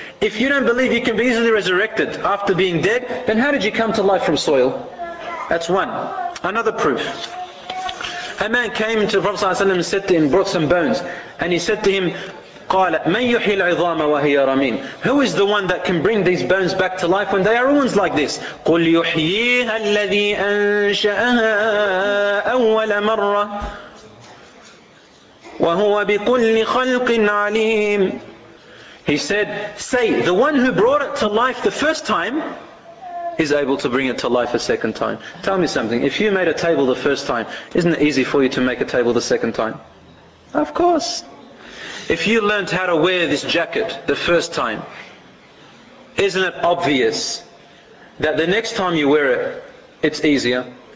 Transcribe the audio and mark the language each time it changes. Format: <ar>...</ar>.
<en>If you don't believe you can be easily resurrected after being dead, then how did you come to life from soil? That's one. Another proof. A man came to the Prophet ﷺ and said to him, brought some bones, and he said to him,</en> <ar>قال, من يحيي العظام وهي رميم?</ar> <en>Who is the one that can bring these bones back to life when they are ruins like this?</en> <ar>قل يحييها الذي أنشأها أول مرة وهو بكل خلق عليم.</ar> <en>He said, say, the one who brought it to life the first time is able to bring it to life a second time. Tell me something, if you made a table the first time, isn't it easy for you to make a table the second time? Of course. If you learned how to wear this jacket the first time, isn't it obvious that the next time you wear it, it's easier?</en>